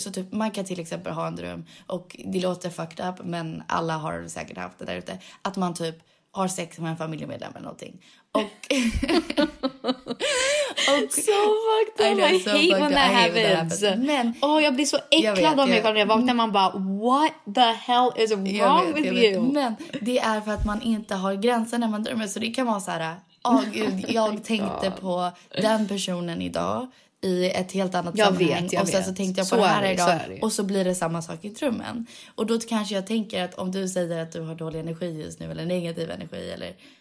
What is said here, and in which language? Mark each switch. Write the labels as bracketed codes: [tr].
[sv] Så typ, man kan till exempel ha en dröm och det låter fucked up, men alla har säkert haft det där ute. Att man typ har sex med en familjemedlem eller någonting. Och... [en] och so fucked up. I hate when that happens. [sv] Men, jag blir så äcklad av mig när jag vaknar. Man bara, [en] what the hell is wrong with you? [sv] Men det är för att man inte har gränser när man drömmer. Så det kan vara så här, jag tänkte på den personen idag i ett helt annat sammanhang. Jag vet, och sen så tänkte jag på det här idag. Och så blir det samma sak i drömmen. Och då kanske jag tänker att om du säger att du har dålig energi just nu eller negativ energi eller...